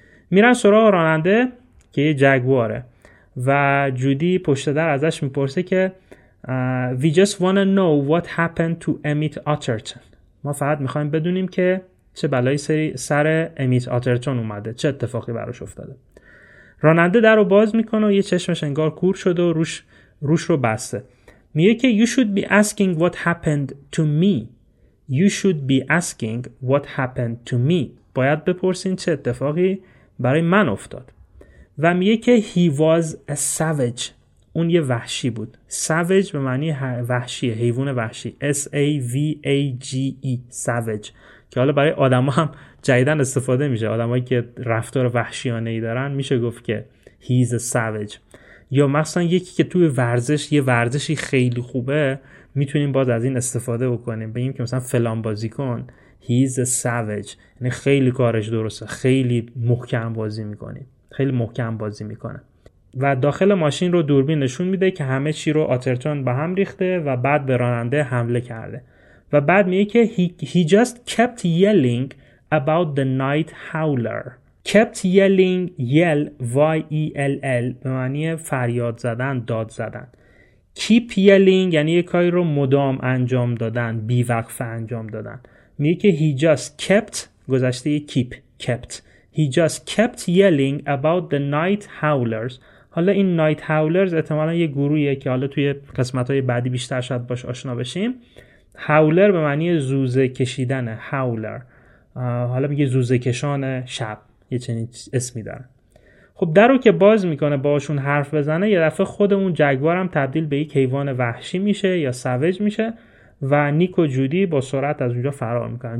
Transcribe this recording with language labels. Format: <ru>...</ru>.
<fa>میرن سراغ راننده که یه جگواره و جودی پشت در ازش میپرسه که</fa> <en>We just wanna know what happened to Emmett Otterton.</en> <fa>ما فقط میخوایم بدونیم که چه بلایی سر امیت آترتون اومده، چه اتفاقی براش افتاده. راننده در رو باز میکنه و یه چشمش انگار کور شده و روش رو بسته. میگه که</fa> <en>You should be asking what happened to me. You should be asking what happened to me.</en> <fa>باید بپرسین چه اتفاقی برای من افتاد. و میگه که</fa> <en>he was a savage،</en> <fa>اون یه وحشی بود. savage به معنی وحشیه، حیوان وحشی، savage، savage که حالا برای آدم هم جدیدن استفاده میشه، آدم هایی که رفتار وحشیانه ای دارن میشه گفت که</fa> <en>he is a savage.</en> <fa>یا مثلا یکی که توی ورزش یه ورزشی خیلی خوبه میتونیم باز از این استفاده بکنیم، بگیم که مثلا فلان بازی کن</fa> <en>He is a savage،</en> <fa>یعنی خیلی کارش درسته، خیلی محکم بازی میکنه. و داخل ماشین رو دوربین نشون میده که همه چی رو آترتون با هم ریخته و بعد به راننده حمله کرده. و بعد میگه که</fa> <en>he just kept yelling about the night howler. Kept yelling،</en> <fa>yell، y-e-l-l به معنی فریاد زدن، داد زدن.</fa> <en>Keep yelling</en> <fa>یعنی یک کاری رو مدام انجام دادن، بیوقفه انجام دادن. میگه که</fa> <en>he just kept،</en> <fa>گذشته یه</fa> <en>keep، kept. He just kept yelling about the night howlers.</en> <fa>حالا این night howlers احتمالا یه گروهیه که حالا توی قسمت‌های بعدی بیشتر شاید باش آشنا بشیم. Howler به معنی زوزه کشیدنه، howler. حالا میگه زوزه کشان شب، یه چنین اسمی داره. خب درو که باز میکنه باشون حرف بزنه، یه دفعه خود اون جگوارم تبدیل به یک حیوان وحشی میشه یا سوج میشه و نیک و جودی با سرعت از اونجا فرار میکنن.</fa>